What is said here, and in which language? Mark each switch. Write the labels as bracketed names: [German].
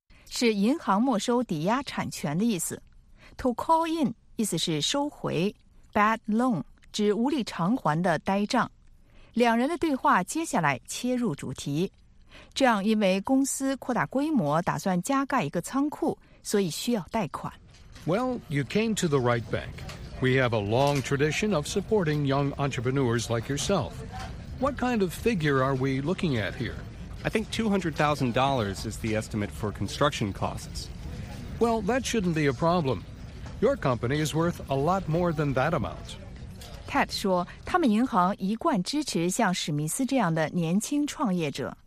[Chinese] 是银行没收抵押产权的意思。 [English] To call in [Chinese] 意思是收回。 [English] Bad loan [Chinese] 指无力偿还的呆账。两人的对话接下来切入主题，这样因为公司扩大规模，打算加盖一个仓库，所以需要贷款。 [English] Well, you came to the right bank. We have a long tradition of supporting young entrepreneurs like yourself. What kind of figure are we looking at here? I think $200,000 is the estimate for construction costs. Well, that shouldn't be a problem. Your company is worth a lot more than that amount. [Chinese] Ted 说他们银行一贯支持像史密斯这样的年轻创业者。